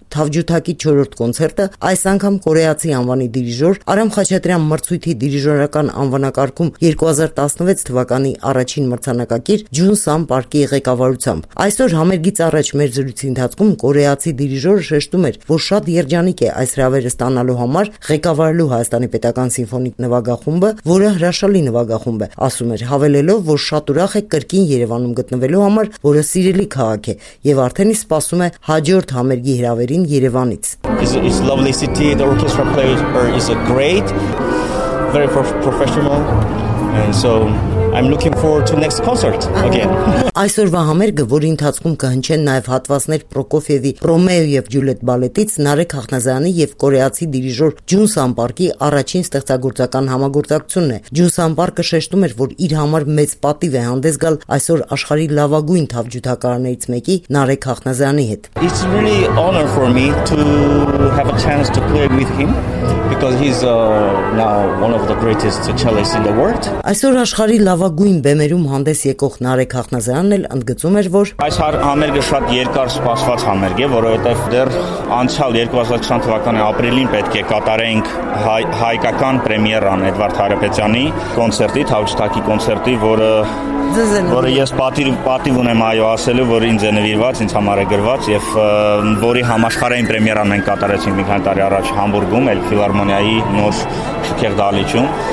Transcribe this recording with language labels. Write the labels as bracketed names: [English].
[Armenian] Թավջութակի 4-րդ կոնցերտը, այս անգամ կորեացի անվանի դիրիժոր Արամ Խաչատրյան մրցույթի դիրիժորական անվանակարգում 2016 թվականի առաջին մրցանակակիր Ջուն Սան Պարկի ղեկավարությամբ։ Այսօր համերգից առաջ մեր զրույցի ընթացքում կորեացի դիրիժորը շեշտում էր, որ շատ երջանիկ է այս հրավերը ստանալու համար ղեկավարելու Հայաստանի պետական սիմֆոնիկ նվագախումբը, որը հրաշալի նվագախումբ է, ասում էր, հավելելով, որ շատ ուրախ է կրկին Երևանում գտնվելու համար, որը սիրելի քաղաք է և արդեն սպասում է հաջորդ համերգի հրավերին Երևանից։ [English] It's a lovely city. The orchestra played her is a great, very professional. And so I'm looking forward to next concert again. [Armenian] Այսօրվա համերգը, որի ընթացքում կհնչեն նաև հատվածներ Պրոկոֆիևի Ռոմեո և Ջուլիետ բալետից, Նարեկ Հախնազարյանի և կորեացի դիրիժոր Ջուն Սան Պարկի առաջին ստեղծագործական համագործակցությունն է։ Ջուն Սան Պարկը շեշտում էր, որ իր համար մեծ պատիվ է հանդես գալ այսօր աշխարհի լավագույն թավջութակարներից մեկի Նարեկ Հախնազարյանի հետ։ [English] It's really an honor for me to have a chance to play with him because he's now one of the greatest cellists in the world. [Armenian] Այսօր աշխարհի լավագույն բեմերում հանդես եկող Նարեկ Հախնազարյանը անել ընդգծում էր, որ այս համերգը շատ երկար սպասված համերգ է, որովհետև դեռ անցյալ 2020 թվականի ապրիլին պետք է կատարենք հայկական պրեմիերան Էդվարդ Հարապետյանի կոնցերտի, Թավջութակի կոնցերտի, որը ես պատիվ ունեմ այո ասելու, որ ինձ է նվիրված, ինձ համար է գրված և որի համաշխարհային պրեմիերան մենք կատարեցինք մի քանի տարի առաջ Համբուրգում, Էլֆիլարմոնիայի նոր շքեղդալիչում։